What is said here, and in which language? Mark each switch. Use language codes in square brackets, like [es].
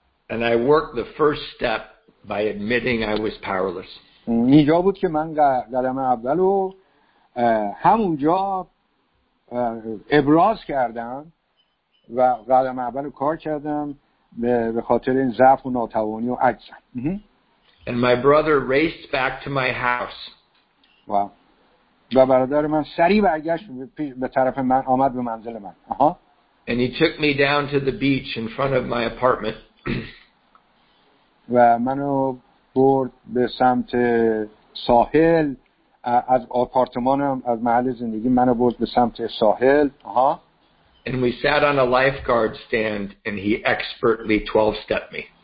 [en] And I worked the first step by admitting I was powerless. [fa] اینجا بود که من قدم اول رو همونجا ابراز کردم و قدم اول رو کار کردم به خاطر این ضعف و ناتوانی و عجزم. [en] And my brother raced back to my house. [fa] و برادر من سریع برگشت به طرف من، آمد به منزل من. [en] And he took me down to the beach in front of my apartment. [fa] و منو برد به سمت ساحل، از آپارتمانم، از محل زندگی منو برد به سمت ساحل. [en] And we sat on a lifeguard stand and he expertly 12-stepped me.